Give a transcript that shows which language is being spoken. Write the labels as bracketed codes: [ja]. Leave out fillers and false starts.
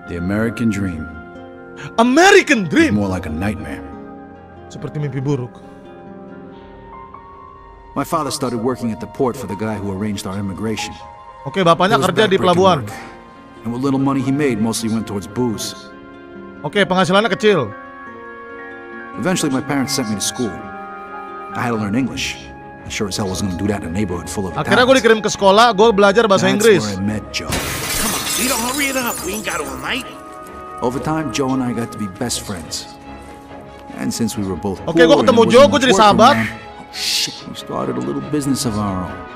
[en] The American Dream. American Dream. It's more like a nightmare. [id] Seperti mimpi buruk. [en] My father started working at the port for the guy who arranged our immigration. [id] Okay, bapaknya kerja di pelabuhan. [en] And what little money he made mostly went towards booze. [id] Okay, penghasilannya kecil. [en] Eventually, my parents sent me to school. I had to learn English. I sure as hell wasn't going to do that in a neighborhood full of Italians. [id] Akhirnya gue dikirim ke sekolah, gue belajar bahasa Inggris. [en] That's where I met Joe. Come on, we don't hurry it up. We ain't got all night. Over time, Joe and I got to be best friends. And since we were both poor, [id] okay, gue ketemu Joe, gue jadi sahabat. [en] Shit, we started a little business of our own.